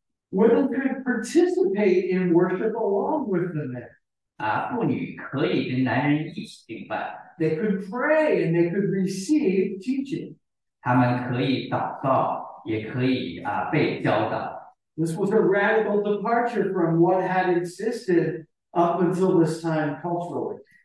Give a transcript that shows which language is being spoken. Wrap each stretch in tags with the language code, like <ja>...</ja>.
<en>Women could participate in worship along with the men.</en> <zh>妇女可以跟男人一起敬拜。</zh> <en>They could pray and they could receive teaching.</en> <zh>他们可以祷告，也可以被教导。</zh> <en>This was a radical departure from what had existed up until this time culturally.</en>